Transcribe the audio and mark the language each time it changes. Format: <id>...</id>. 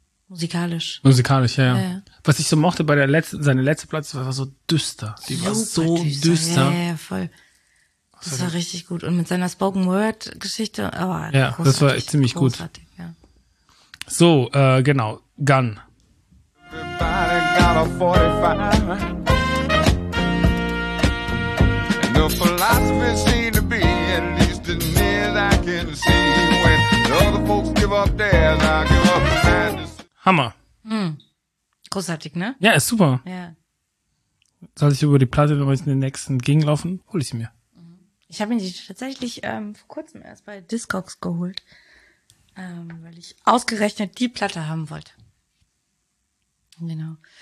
<de>Musikalisch. Musikalisch, ja. Was ich so mochte bei seiner letzten Platte, war so düster. Die war so düster. Ja, voll. Das war richtig gut. Und mit seiner Spoken-Word-Geschichte, das war echt ziemlich gut. Ja. So, genau, Gun.</de> <en>Everybody got a 45. And the philosophy seems to be, at least as near as I can see. When other folks give up theirs, I give up mine.</en> <de>Hammer. Hm. Großartig, ne? Ja, ist super. Ja. Soll ich über die Platte nochmal in den nächsten Gegend laufen? Hol ich sie mir. Ich habe mir die tatsächlich vor kurzem erst bei Discogs geholt, weil ich ausgerechnet die Platte haben wollte. Genau.</de>